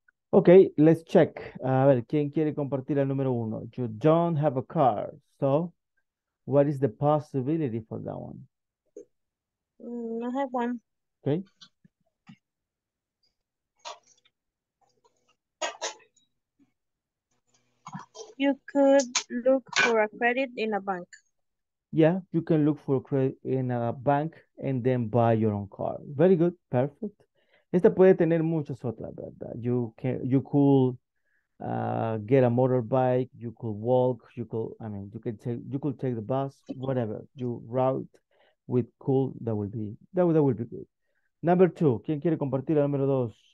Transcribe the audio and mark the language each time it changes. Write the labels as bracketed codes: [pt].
[en] Ok, let's check. [es] A ver, ¿quién quiere compartir el número uno? [en] You don't have a car, so what is the possibility for that one? No have one. Ok. You could look for a credit in a bank. Yeah, you can look for a credit in a bank and then buy your own car. Very good, perfect. [es] Esta puede tener muchas otras, ¿verdad? [en] You could get a motorbike, you could walk, you could take the bus, whatever. You route with cool, that would be good. Number two, [es] ¿quién quiere compartir el número dos?